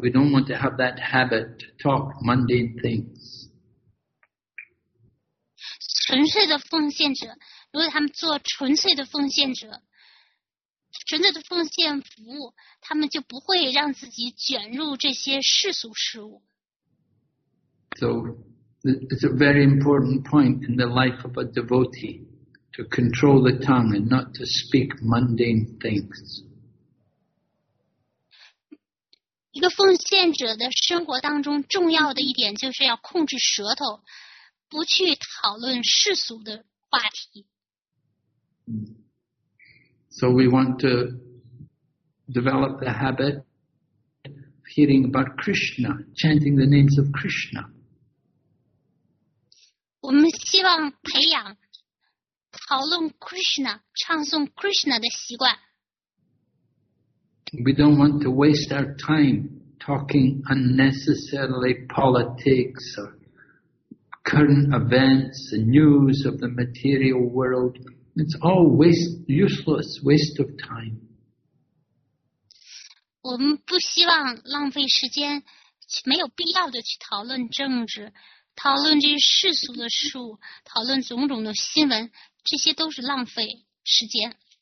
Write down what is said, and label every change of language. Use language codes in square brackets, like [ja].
[en] We don't want to have that habit to talk mundane things. [zh] 纯粹的奉献者，如果他们做纯粹的奉献者，纯粹的奉献服务，他们就不会让自己卷入这些世俗事物。 [en] So it's a very important point in the life of a devotee to control the tongue and not to speak mundane things. [zh] 一个奉献者的生活当中重要的一点就是要控制舌头，不去讨论世俗的话题。 [en] So we want to develop the habit of hearing about Krishna, chanting the names of Krishna. [zh] 我们希望培养讨论 Krishna, 唱诵 Krishna 的习惯。 [en] We don't want to waste our time talking unnecessarily politics or current events, the news of the material world. It's all waste, useless waste of time. [zh] 我们不希望浪费时间，没有必要的去讨论政治，讨论这些世俗的事物，讨论种种的新闻，这些都是浪费时间。